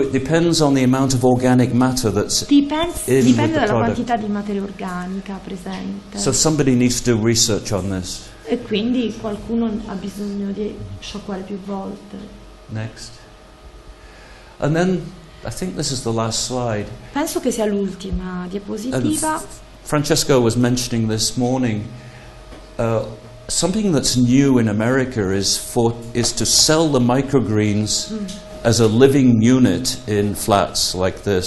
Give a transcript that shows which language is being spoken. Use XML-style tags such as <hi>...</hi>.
<en>It depends on the amount of organic matter that's</en> <it>dipende dalla quantità di materia organica presente.</it> <en>So somebody needs to do research on this.</en> <it>E quindi qualcuno ha bisogno di sciacquare più volte.</it> <en>Next. And then I think this is the last slide.</en> <it>Penso che sia l'ultima diapositiva.</it> <en>Francesco was mentioning this morning. Something that's new in America is to sell the microgreens as a living unit in flats like this.</en>